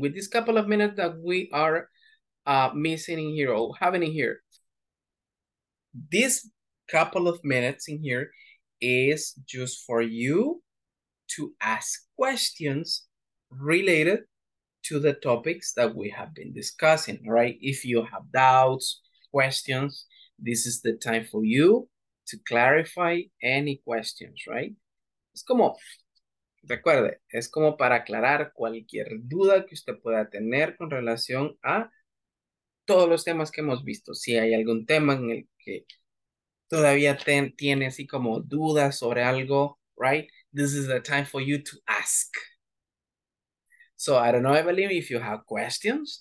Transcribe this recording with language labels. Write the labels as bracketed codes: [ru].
[en] With this couple of minutes that we are missing in here or having in here, this couple of minutes in here is just for you to ask questions related to the topics that we have been discussing, right? If you have doubts, questions, this is the time for you to clarify any questions, right? [es] Es como, recuerde, es como para aclarar cualquier duda que usted pueda tener con relación a todos los temas que hemos visto. Si hay algún tema en el que todavía tiene así como dudas sobre algo, right? [en] This is the time for you to ask. So, I don't know, Evelyn, if you have questions.